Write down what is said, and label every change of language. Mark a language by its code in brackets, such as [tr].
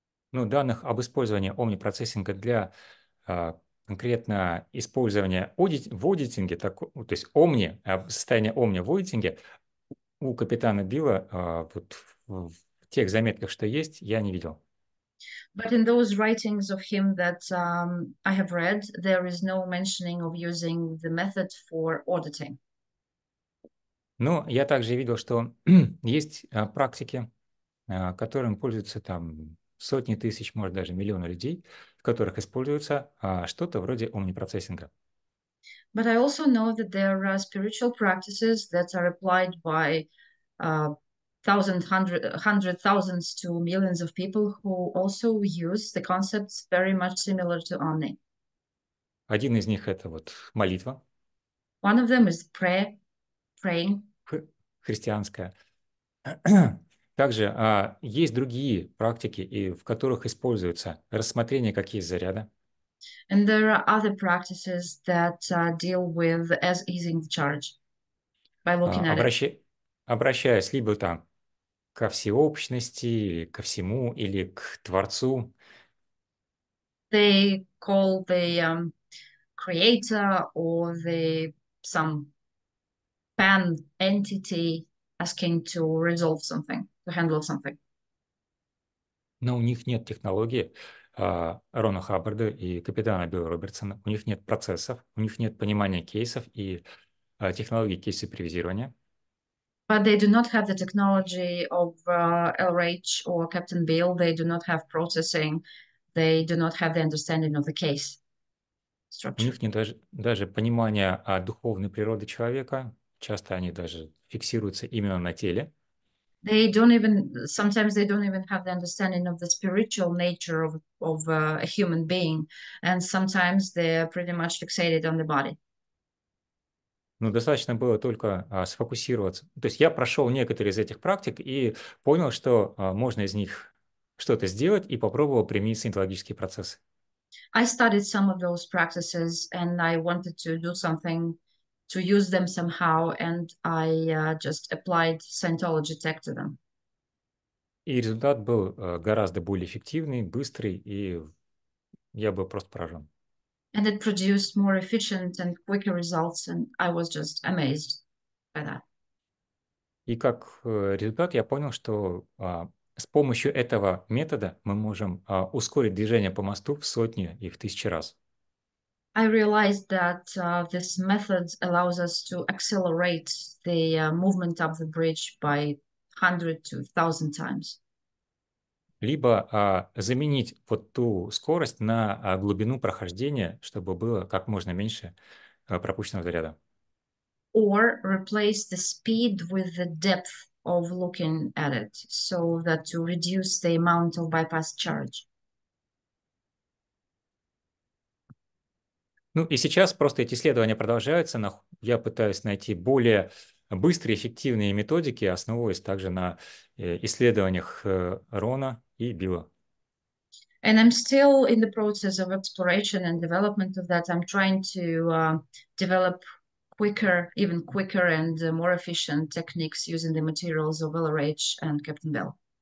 [ru] Ну, данных об использовании омнипроцессинга для конкретно использования в аудитинге, то есть состояние омни в аудитинге, у капитана Билла в тех заметках, что есть, я не видел. [en] But in those writings of him that I have read, there is no mentioning of using the method for auditing. [ru] Ну, я также видел, что есть практики, которым пользуются там сотни тысяч, может даже миллионы людей, в которых используется что-то вроде омнипроцессинга. [en] But I also know that there are spiritual practices that are applied by hundred thousands to millions of people who also use the concepts very much similar to Omni. [ru] Один из них — это вот молитва. [en] One of them is prayer, praying. [ru] Христианская. Также есть другие практики, в которых используется рассмотрение как есть заряда. [en] And there are other practices that deal with as easing the charge by looking at it. [ru] Обращаясь либо там ко всеобщности, ко всему или к Творцу. [en] They call the creator or the some pan entity asking to resolve something. To handle something. [ru] Но у них нет технологии Рона Хаббарда и капитана Билла Робертсона. У них нет процессов, у них нет понимания кейсов и технологии кейс-супервизирования. [en] But they do not have the technology of LRH or Captain Bill. They do not have processing. They do not have the understanding of the case structure. [ru] У них нет даже понимания о духовной природе человека. Часто они даже фиксируются именно на теле. [en] They don't even sometimes they don't even have the understanding of the spiritual nature of a human being, and sometimes they're pretty much fixated on the body. [ru] Ну, достаточно было только сфокусироваться. То есть я прошел некоторые из этих практик и понял, что можно из них что-то сделать, и попробовал применить синтологические процессы. [en] I studied some of those practices and I wanted to do something to use them somehow, and I just applied Scientology tech to them. [ru] И результат был гораздо более эффективный, быстрый, и я был просто поражен. [en] And it produced more efficient and quicker results, and I was just amazed by that. [ru] И как результат я понял, что с помощью этого метода мы можем ускорить движение по мосту в сотни и в тысячи раз. [en] I realized that this method allows us to accelerate the movement up the bridge by 100 to 1000 times. [ru] Либо заменить вот ту скорость на глубину прохождения, чтобы было как можно меньше пропущенного заряда. [en] Or replace the speed with the depth of looking at it, so that to reduce the amount of bypass charge. [ru] Ну и сейчас просто эти исследования продолжаются. Я пытаюсь найти более быстрые, эффективные методики, основываясь также на исследованиях Рона и Билла. [en] And I'm still in the process of exploration and development of that. I'm trying to develop quicker, even quicker and more efficient techniques using the materials of LRH and Captain Bell.